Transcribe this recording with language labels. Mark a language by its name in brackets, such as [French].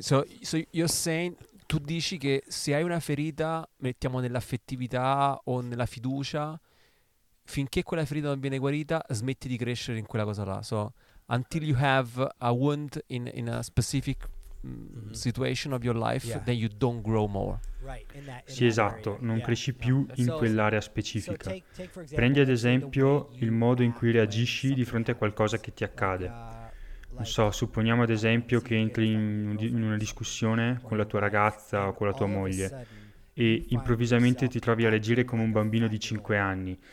[English] So you're saying, [Italian] tu dici che se hai una ferita, mettiamo nell'affettività o nella fiducia, finché quella ferita non viene guarita, smetti di crescere in quella cosa là. [English] So until you have a wound in a specific situation of your life, yeah, then you don't grow more. Right, in that, in [Italian] sì, esatto, [English] area. [Italian] Non yeah, cresci più in quell'area specifica. [English] Take, [Italian] prendi ad esempio il modo in cui reagisci di fronte a qualcosa che ti accade. Non so, supponiamo ad esempio che entri in una discussione con la tua ragazza o con la tua moglie e improvvisamente ti trovi a reagire come un bambino di 5 anni.